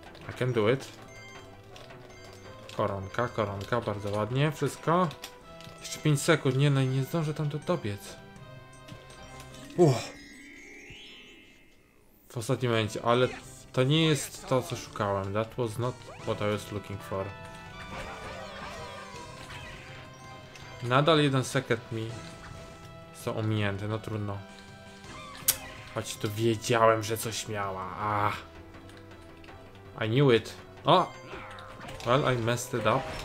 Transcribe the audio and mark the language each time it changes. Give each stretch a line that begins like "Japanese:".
English: I can do it.
Polish: Koronka, koronka. Bardzo ładnie. Wszystko. Jeszcze 5 sekund. Nie, no i nie zdążę tam to dobiec. W ostatnim momencie, ale... To nie jest to, co szukałem.
English: That was not what I was looking for.
Polish: Nadal jeden sekret mi są ominięte, no trudno. Choć to wiedziałem, że coś miała.
English: Ah. I knew it. O! Oh. Well, I messed it up.